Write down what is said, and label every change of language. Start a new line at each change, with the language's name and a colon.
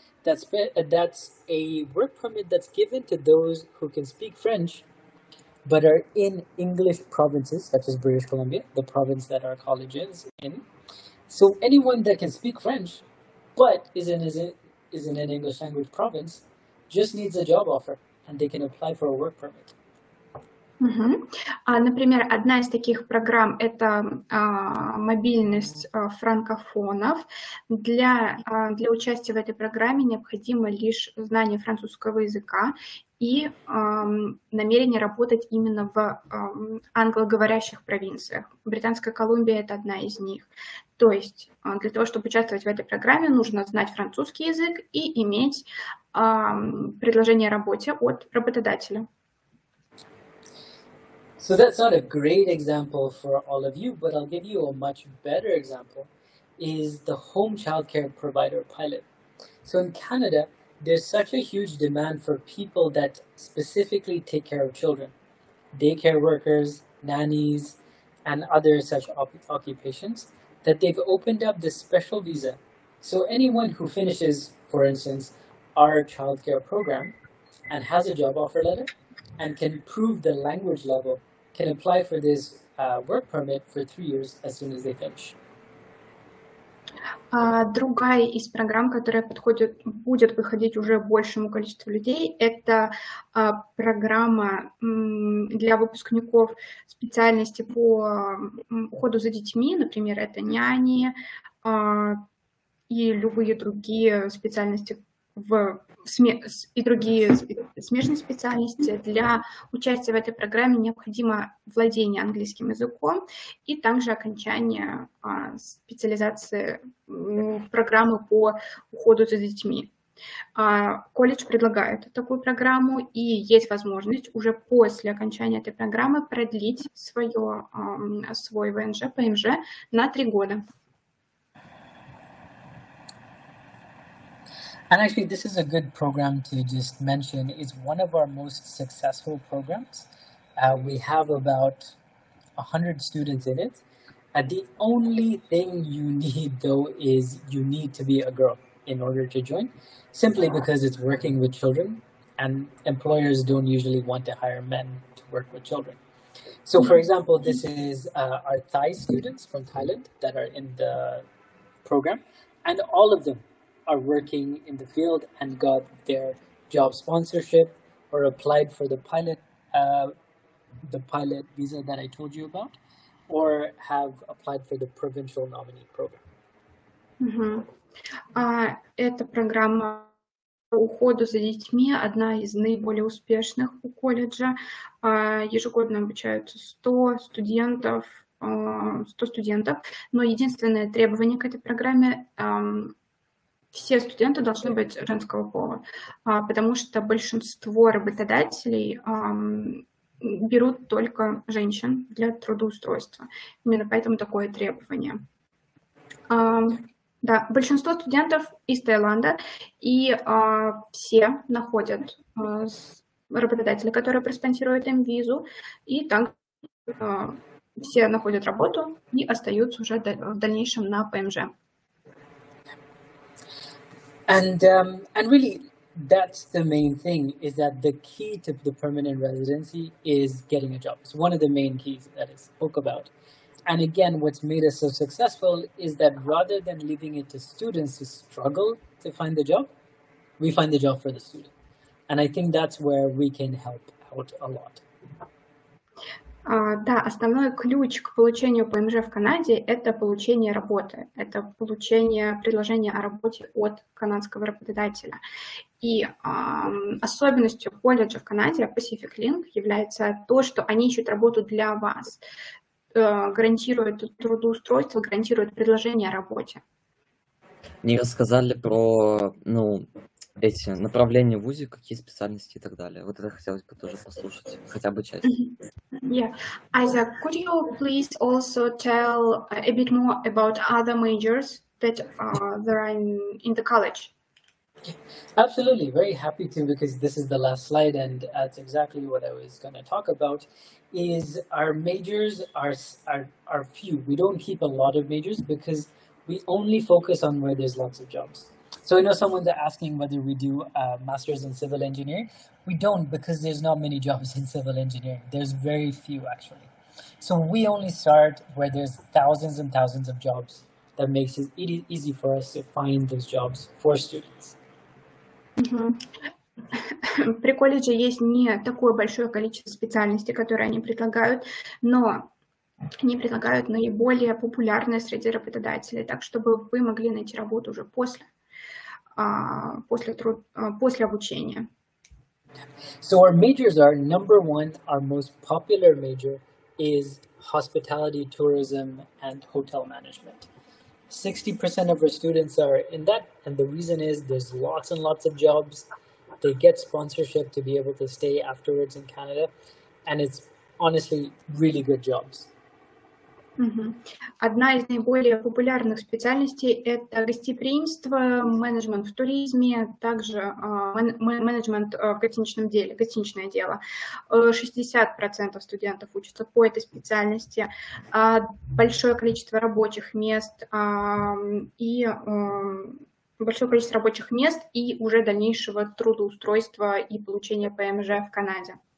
English: That's a work permit that's given to those who can speak French, but are in English provinces, such as British Columbia, the province that our college is in. So anyone that can speak French, but is in an English language province, just needs a job offer, and they can apply for a work permit.
Russian: Например, одна из таких программ – это мобильность франкофонов. Для участия в этой программе необходимо лишь знание французского языка и намерение работать именно в англоговорящих провинциях. Британская Колумбия – это одна из них. То есть для того, чтобы участвовать в этой программе, нужно знать французский язык и иметь предложение о работе от работодателя.
English: So that's not a great example for all of you, but I'll give you a much better example, is the home childcare provider pilot. So in Canada, there's such a huge demand for people that specifically take care of children, daycare workers, nannies, and other such occupations, that they've opened up this special visa. So anyone who finishes, for instance, our childcare program and has a job offer letter and can prove the language level can apply for this work permit for 3 years as soon as they finish.
Russian: Другая из программ, которая будет выходить уже большему количеству людей, это программа для выпускников специальности по уходу за детьми, например, это няни и любые другие специальности смежные специальности. Для участия в этой программе необходимо владение английским языком и также окончание специализации программы по уходу за детьми. Колледж предлагает такую программу, и есть возможность уже после окончания этой программы продлить свой ВНЖ, ПМЖ на 3 года.
English: And actually, this is a good program to just mention. It's one of our most successful programs. We have about 100 students in it. The only thing you need, though, is you need to be a girl in order to join, simply because it's working with children, and employers don't usually want to hire men to work with children. So, for example, this is our Thai students from Thailand that are in the program, and all of them are working in the field and got their job sponsorship or applied for the pilot the pilot visa that I told you about, or have applied for the provincial nominee program.
Russian: Это программа по уходу за детьми, одна из наиболее успешных у колледжа. Ежегодно обучаются 100 студентов, но единственное требование к этой программе все студенты должны быть женского пола, потому что большинство работодателей берут только женщин для трудоустройства. Именно поэтому такое требование. Да, большинство студентов из Таиланда, и все находят работодателя, который проспонсирует им визу, и так все находят работу и остаются уже в дальнейшем на ПМЖ.
English: And really, that's the main thing, is that the key to the permanent residency is getting a job. It's one of the main keys that I spoke about. And again, what's made us so successful is that rather than leaving it to students to struggle to find the job, we find the job for the student. And I think that's where we can help out a lot.
Russian: Да, основной ключ к получению ПМЖ в Канаде – это получение работы, это получение предложения о работе от канадского работодателя. И особенностью колледжа в Канаде Pacific Link является то, что они ищут работу для вас, гарантируют трудоустройство, гарантируют предложение о работе. Мне рассказали про эти направления в вузе, какие специальности и так далее. Вот это хотелось бы тоже послушать, хотя бы часть.
English: Yeah. Isaac, could you please also tell a bit more about other majors that there are in the college? Absolutely, very happy to, because this is the last slide and that's exactly what I was going to talk about, is our majors are few. We don't keep a lot of majors because we only focus on where there's lots of jobs. So I know someone's asking whether we do a master's in civil engineering. We don't, because there's not many jobs in civil engineering. There's very few, actually. So we only start where there's thousands and thousands of jobs. That makes it easy for us to find those jobs for students.
Russian: При колледже есть не такое большое количество специальностей, которые они предлагают, но они предлагают наиболее популярные среди работодателей, так чтобы вы могли найти работу уже после обучения.
English: So our majors are, number one, our most popular major is hospitality, tourism and hotel management. 60% of our students are in that, and the reason is there's lots and lots of jobs. They get sponsorship to be able to stay afterwards in Canada, and it's honestly really good jobs.
Russian: Одна из наиболее популярных специальностей – это гостеприимство, менеджмент в туризме, также менеджмент в гостиничном деле, гостиничное дело. 60% студентов учатся по этой специальности, большое количество рабочих мест и большое количество рабочих мест и уже дальнейшего трудоустройства и получения ПМЖ в Канаде.